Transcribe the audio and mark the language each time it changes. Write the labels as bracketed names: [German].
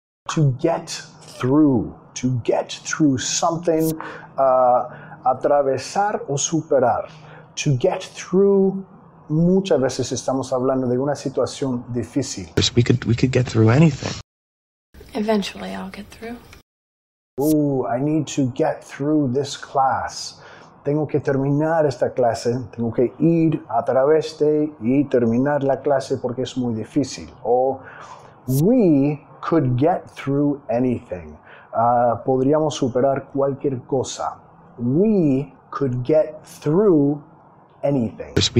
[English] To get through. To get through something. [Spanish] Atravesar o superar. [English] To get through. [Spanish] Muchas veces estamos hablando de una situación difícil. [English] We could get through anything. Eventually, I'll get through. Ooh, I need to get through this class. [Spanish] Tengo que terminar esta clase. Tengo que ir a través de y terminar la clase porque es muy difícil. [English] Or, we could get through anything. [Spanish] Podríamos superar cualquier cosa. [English] We could get through anything.